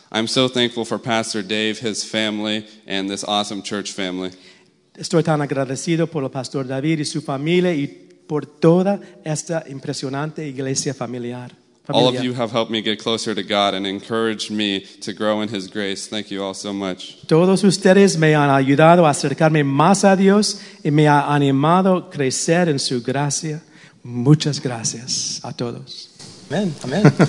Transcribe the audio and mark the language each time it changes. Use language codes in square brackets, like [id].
[en] I'm so thankful for Pastor Dave, his family, and this awesome church family. [es] Estoy tan agradecido por el Pastor David y su familia y por toda esta impresionante iglesia familiar. [en] All of you have helped me get closer to God and encouraged me to grow in His grace. Thank you all so much. [es] Todos ustedes me han ayudado a acercarme más a Dios y me ha animado a crecer en su gracia. Muchas gracias a todos. Amen. Amen.